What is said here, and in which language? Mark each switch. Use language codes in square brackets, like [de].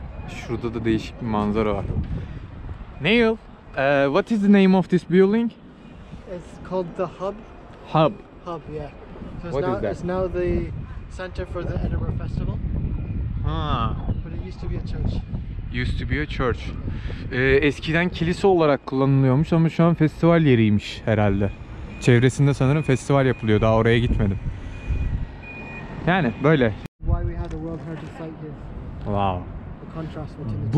[tr] Şurada da değişik bir manzara var. [en] Neil, what is the name of this building? It's called the Hub. Hub. Hub, yeah. So what now, is that? It's now the center for the Edinburgh Festival. But it used to be a church. Used to be a church. [tr] Eskiden kilise olarak kullanılıyormuş ama şu an festival yeriymiş herhalde. Çevresinde sanırım festival yapılıyor. Daha oraya gitmedim. Yani böyle. [en] Why we had a World Heritage site here. Wow. The contrast between the